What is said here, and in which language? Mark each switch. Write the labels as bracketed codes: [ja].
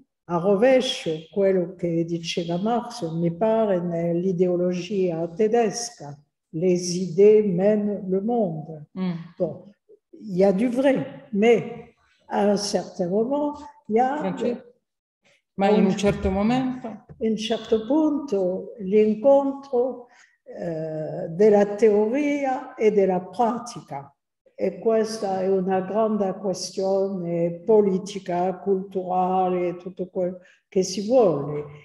[it] A rovescio, quello che diceva Marx, mi pare, nell'ideologia tedesca, [fr] les idées mènent le monde. Bon, il y a du vrai, mais à un certain moment, il y a... [it] Ma in un certo momento? In un certo punto, l'incontro della teoria e della pratica. E questa è una grande questione politica, culturale, tutto quello che si vuole.